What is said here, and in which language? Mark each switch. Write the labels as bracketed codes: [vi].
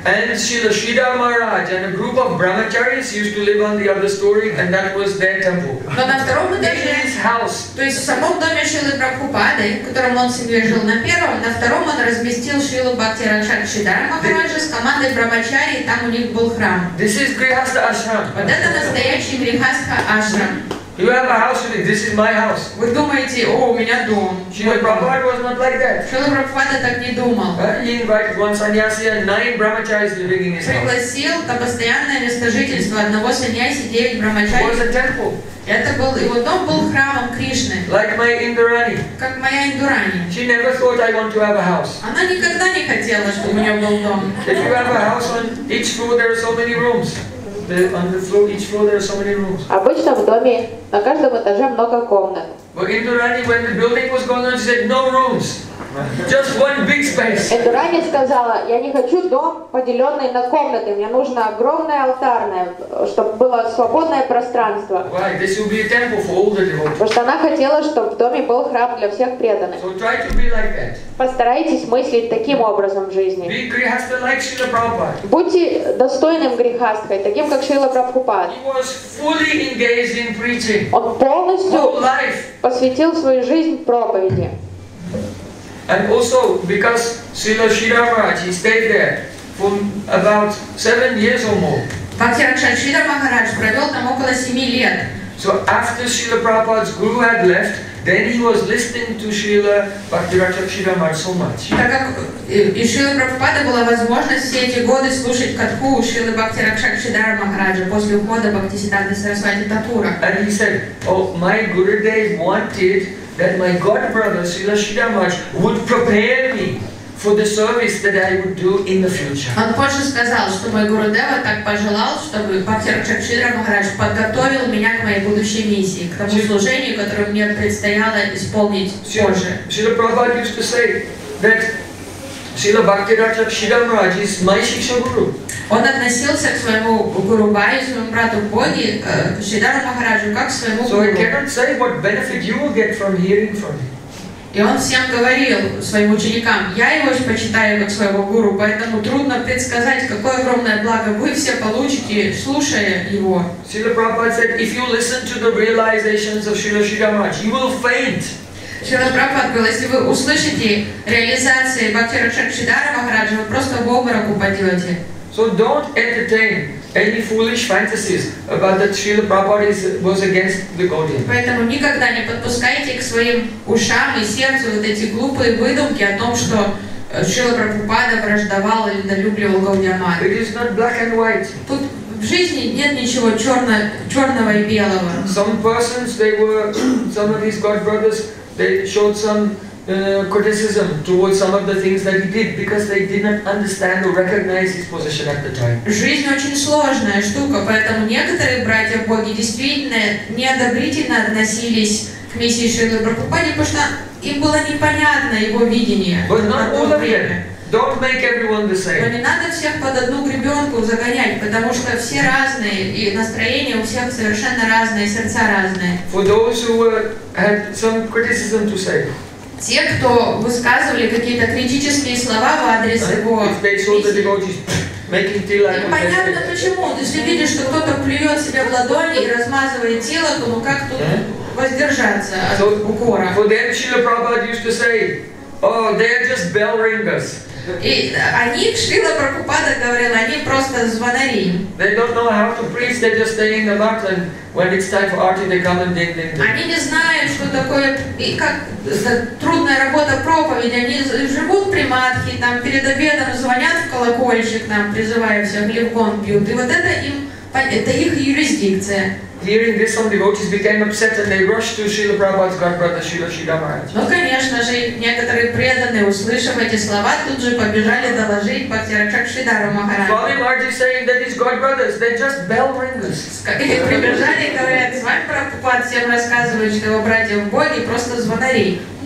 [en] And Srila Sridhar Maharaj and a group of brahmacharis used to live on the other story, and that was their temple. [ru] Но на втором этаже. [en] In his house. [ru] То есть в самом доме Шрилы Прабхупады, в котором он себе жил на первом, на втором он разместил Шрилу Бхакти Ракшак Шридхар Махараджа с командой брахмачари, и там у них был храм. [en] This is Grihastha Ashram. [ru] Вот это настоящий Грихастха Ашрам. [en] You have a house with me. This is my house. [ru] Вы думаете, о, у меня дом. [en] Шрила Прабхупада was not like that. [ru] Шрила Прабхупада так не думал. [en] He invited one sannyasi and 9 brahmacharis living in his house. [ru] Пригласил на постоянное место жительства одного сannyasi, 9 brahmacharis. [en] It was a temple. [ru] Это был его дом, был храмом Кришны. [en] Like my Indurani. [ru] Как моя Индурани. [en] She never thought I want to have a house. [ru] Она никогда не хотела, чтобы у нее был дом. [en] If you have a house on each floor, there are so many rooms. On the floor, each floor, there are so many rooms. [ru] Обычно в доме на каждом этаже много комнат. [en] But Indurani, when the building was going on, she said, no rooms. Just one big space. [ru] Индурани сказала, я не хочу дом, поделенный на комнаты. Мне нужно огромное алтарное, чтобы было свободное пространство. [en] Why? This will be a temple for all the devotees. [ru] Потому что она хотела, чтобы в доме был храм для всех преданных. [en] So try to be like that. [ru] Постарайтесь мыслить таким образом в жизни. [en] Be grihastha like Srila Prabhupada. [ru] Будьте достойным грихастхой, таким как Шрила Прабхупад. [en] He was fully engaged in preaching. [ru] Он полностью посвятил свою жизнь проповеди. [en] And also because Srila Sridhar Maharaj, he stayed there for about 7 years or more. [ru] Бхакти Ракшак Шридхар Махарадж провел там около 7 лет. [en] So after Srila Prabhupada's guru had left, then he was listening to Srila Bhakti Ракшак Шридхар Махарадж so much. [ru] Так как у Шрилы Прабхупады была возможность все эти годы слушать катху у Шрилы Бхакти Ракшак Шридхар Махараджа после ухода Бхактисиддханты Сарасвати Такура. [en] And he said, oh, my Gurudev wanted that my god brother Srila Sridhar Maharaj would prepare me for the service that I would do in the future. [ru] Он позже сказал, что мой Гурудева так пожелал, чтобы Бхакти Ракшак Шридхар Махарадж подготовил меня к моей будущей миссии, к тому служению, которое мне предстояло исполнить позже. [en] Srila Prabhupada used to say that Srila Bhakti Ракшак Шридхар Махарадж is my Shiksha Guru. [ru] Он относился к своему гуру Бхаи, своему брату Боги, Шридхару Махараджу, как к своему гуру. [en] So I cannot say what benefit you will get from hearing from him. [ru] И он всем говорил, своим ученикам, я его почитаю как своего гуру, поэтому трудно предсказать, какое огромное благо вы все получите, слушая его. [en] Srila Prabhupada said, if you listen to the realizations of Srila Shigamaj, you will faint. [ru] Srila Prabhupada говорил, если вы услышите реализации Бхактира Шакшидара Махараджа, вы просто в обморок упадете. [en] So don't entertain any foolish fantasies about that Srila Prabhupada was against the Gaudiya. [ru] Поэтому никогда не подпускайте к своим ушам и сердцу вот эти глупые выдумки о том, что Шрила Прабхупада враждовал или долюбливал Гаудия Мат. [en] It is not black and white. [ru] Тут в жизни нет ничего черного и белого. [en] Some persons, they were, some of these god brothers, they showed some criticism towards some of the things that he did because they did not understand or recognize his position at the time. [ru] Жизнь очень сложная штука, поэтому некоторые братья боги действительно неодобрительно относились к миссии Шрилы Прабхупады, потому что им было непонятно его видение. [en] But not all of them. Don't make everyone the same. [ru] Но не надо всех под одну гребенку загонять, потому что все разные, и настроения у всех совершенно разные, сердца разные. [en] For those who were, had some criticism to say. [ru] Те, кто высказывали какие-то критические слова в адрес его, понятно почему. Если видишь, что кто-то плюет себе в ладони и размазывает тело, то ну как тут воздержаться от укора? [en] For them, Srila Prabhupada used to say, oh, they are just bell ringers. [ru] И они, Шрила Прабхупада говорил, они просто звонари. [en] They don't know how to preach, they're just staying in the mat, and when it's time for arti, they come and ding, ding, ding. [ru] Они не знают, что такое, и как трудная работа проповеди, они живут при матхе, там перед обедом звонят в колокольчик, там призывая всем, или в гонг бьют, и вот это им, это их юрисдикция. [en] Hearing this, some devotees became upset and they rushed to Srila Prabhupada's god brother Srila Shidamaraj. [ru] Ну, конечно же, некоторые преданные, услышав эти слова, тут же побежали доложить Бхактира Шакшидару Махараджу. [en] Swami Maharaj is saying that his god brothers, they're just bell ringers. [ru] И прибежали, говорят, с вами Прабхупад всем рассказывает, что его братья в боге просто звонари.